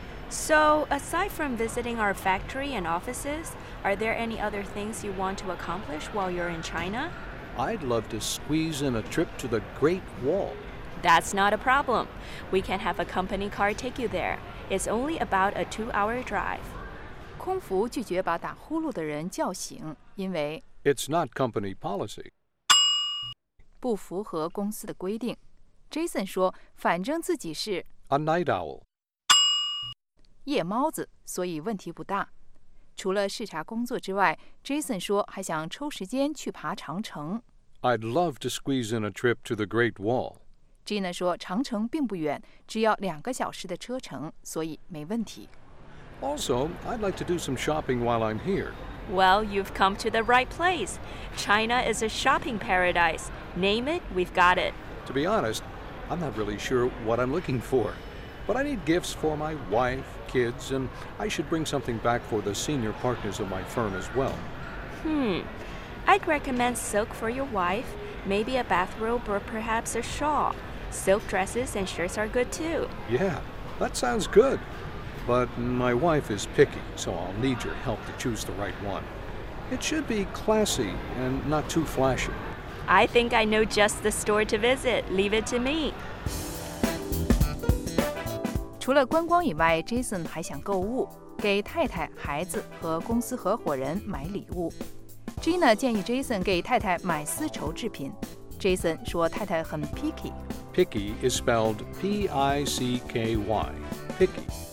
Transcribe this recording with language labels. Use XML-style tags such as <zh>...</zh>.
<en>So, aside from visiting our factory and offices, are there any other things you want to accomplish while you're in China? I'd love to squeeze in a trip to the Great Wall. That's not a problem. We can have a company car take you there. It's only about a 2-hour drive.</en> <zh>空服拒绝把打呼噜的人叫醒，因为</zh> <en>It's not company policy.</en> <zh>不符合公司的规定。Jason 说，反正自己是</zh> <en>A night owl.</en> <zh>夜猫子，所以问题不大。除了视察工作之外， Jason 说还想抽时间去爬长城。</zh> <en>I'd love to squeeze in a trip to the Great Wall.</en> <zh>Gina 说长城并不远，只要两个小时的车程，所以没问题。</zh> <en>Also, I'd like to do some shopping while I'm here. Well, you've come to the right place. China is a shopping paradise. Name it, we've got it. To be honest, I'm not really sure what I'm looking for. But I need gifts for my wife, kids, and I should bring something back for the senior partners of my firm as well. I'd recommend silk for your wife, maybe a bathrobe or perhaps a shawl. Silk dresses and shirts are good too. Yeah, that sounds good. But my wife is picky, so I'll need your help to choose the right one. It should be classy and not too flashy. I think I know just the store to visit. Leave it to me.</en> <zh>除了观光以外 ，Jason 还想购物，给太太、孩子和公司合伙人买礼物。 Gina 建议 Jason 给太太买丝绸制品。Jason 说太太很 picky。</zh> <en>Picky is spelled P-I-C-K-Y. Picky.</en>